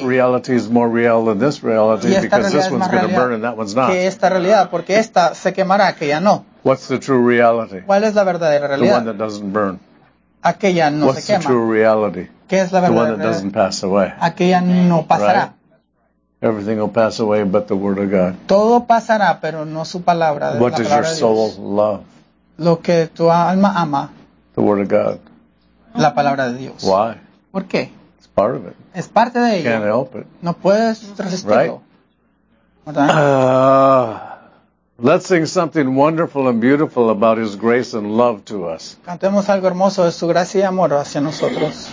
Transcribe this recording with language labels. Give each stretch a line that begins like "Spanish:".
English: That reality is more real than this reality because this one's going to burn and that one's not.
Spanish: Que esta realidad, porque esta se quemará, que ya no.
English: What's the true reality?
Spanish: ¿Cuál es la verdadera realidad?
English: The one that doesn't burn.
Spanish: Aquella no
English: What's
Spanish: se quema.
English: What's the true reality?
Spanish: ¿Qué es la verdadera?
English: The one that doesn't pass away.
Spanish: Aquella no pasará.
English: Everything will pass away but the word of God.
Spanish: Todo pasará, pero no su palabra,
English: what
Spanish: la palabra
English: does your soul
Spanish: Dios.
English: Love?
Spanish: Lo que tu alma ama.
English: The word of God.
Spanish: La palabra de Dios.
English: Why?
Spanish: ¿Por qué?
English: It's part of it.
Spanish: Es parte de ella.
English: Can't help it.
Spanish: No puedes resistirlo.
English: Right? Let's sing something wonderful and beautiful about his grace and love to us.
Spanish: Cantemos algo hermoso de su gracia y amor hacia nosotros.